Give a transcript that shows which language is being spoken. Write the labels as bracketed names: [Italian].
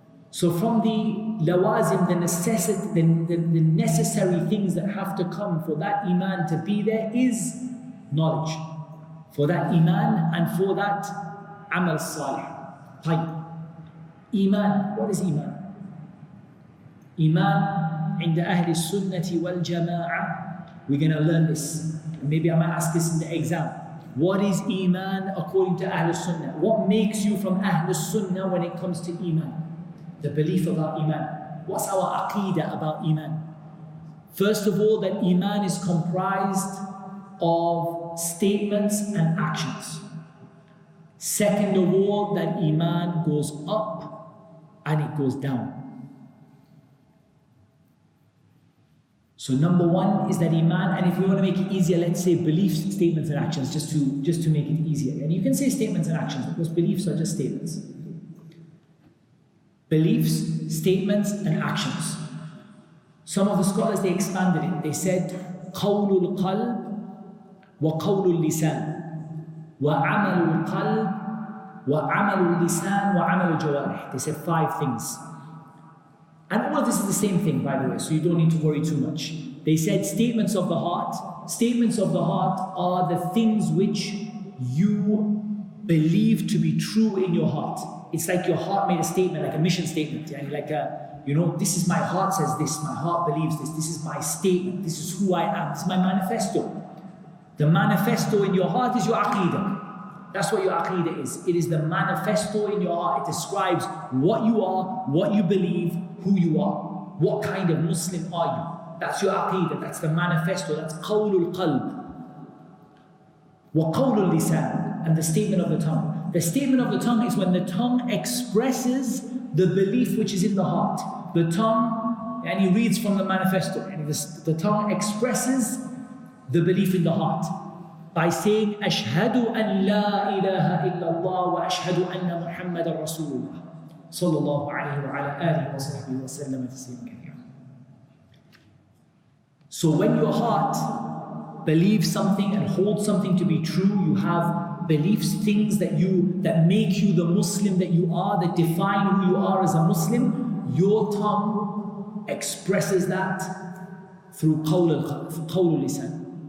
[English] So from the lawazim, the necessary things that have to come for that iman to be there is knowledge. For that iman and for that amal salih. Tayyib. Iman, what is iman? [Arabic] Iman, عند أهل السنة والجماعة. [English] We're going to learn this. Maybe I might ask this in the exam. What is iman according to أهل السنة? What makes you from أهل السنة when it comes to iman? The belief about iman. What's our aqeedah about iman? First of all, that iman is comprised of statements and actions. Second of all, that iman goes up and it goes down. So number one is that iman, and if we want to make it easier, let's say beliefs, statements and actions, just to make it easier. And you can say statements and actions, because beliefs are just statements. Beliefs, statements and actions. Some of the scholars, they expanded it. They said, [Arabic] قَوْلُ الْقَلْبِ وَقَوْلُ اللِّسَانِ وَعَمَلُ الْقَلْبِ وَعَمَلُ اللِّسَانِ وَعَمَلُ الْجَوَارِحِ. [English] They said five things. And all of this is the same thing, by the way, so you don't need to worry too much. They said statements of the heart. Statements of the heart are the things which you believe to be true in your heart. It's like your heart made a statement, like a mission statement. Yeah? Like, this is my heart says this, my heart believes this, this is my statement, this is who I am, this is my manifesto. The manifesto in your heart is your aqidah. That's what your aqidah is. It is the manifesto in your heart. It describes what you are, what you believe, who you are, what kind of Muslim are you. That's your aqidah, that's the manifesto, that's qawlul qalb. [Arabic] Wa qawlul lisan, [English] and the statement of the tongue. The statement of the tongue is when the tongue expresses the belief which is in the heart. The tongue, and he reads from the manifesto, and the tongue expresses the belief in the heart by saying, [Arabic] Ashhadu an la ilaha illallah wa ashhadu anna Muhammad Rasulullah. صلى الله عليه وعلى آله وصحبه وسلم تسليما كثيرا. [English] So when your heart believes something and holds something to be true, you have beliefs, things that make you the Muslim that you are, that define who you are as a Muslim, your tongue expresses that through قول اللسان.